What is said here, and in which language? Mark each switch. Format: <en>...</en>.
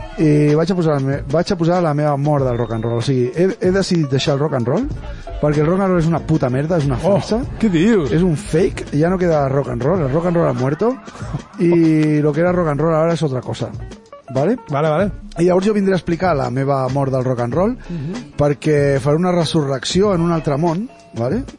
<ca>Y vaig a posar la meva mort del rock and roll. O sigui, he decidit deixar el rock and roll perquè el rock and roll és una puta merda, és una farsa. ¿Qué dius? És un fake,</ca> <es>ya no queda rock and roll. El rock and roll ha muerto. Y lo que era rock and roll ahora es otra cosa. Vale.</es> <ca>I llavors jo vindré a explicar la meva mort del rock and roll, perquè faré una resurrecció en un altre món, vale?</ca>